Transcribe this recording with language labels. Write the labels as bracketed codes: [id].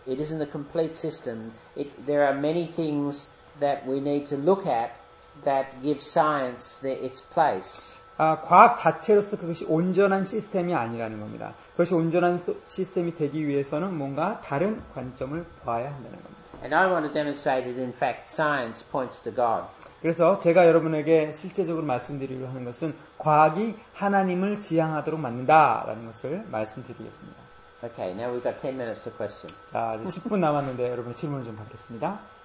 [en] It isn't a complete system. There are many things that we need to look at that give science its place. [ko] 과학 자체로서 그것이 온전한 시스템이 아니라는 겁니다. 그것이 온전한 시스템이 되기 위해서는 뭔가 다른 관점을 봐야 한다는 겁니다. [en] And I want to demonstrate that in fact science points to God. [ko] 그래서 제가 여러분에게 실제적으로 말씀드리려 하는 것은 과학이 하나님을 지향하도록 만든다라는 것을 말씀드리겠습니다. [en] Okay, now we've got 10 minutes for questions. [ko] 자, 이제 10분 남았는데 여러분의 질문을 좀 받겠습니다.